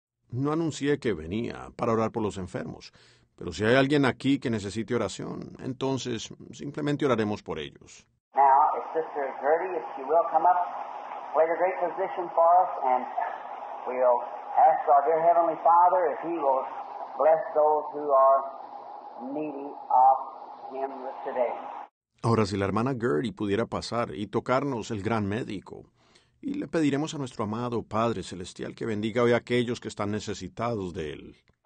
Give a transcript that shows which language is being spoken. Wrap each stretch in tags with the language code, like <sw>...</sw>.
<es>No anuncié que venía para orar por los enfermos, pero si hay alguien aquí que necesite oración, entonces simplemente oraremos por ellos.</es> <en>Now, if Sister Gertie, if she will come up, play a great position for us, and we'll ask our dear Heavenly Father if He will bless those who are needy of Him today.</en> <es>Ahora, si la hermana Gertie pudiera pasar y tocarnos el gran médico, y le pediremos a nuestro amado Padre Celestial que bendiga hoy a aquellos que están necesitados de Él.</es>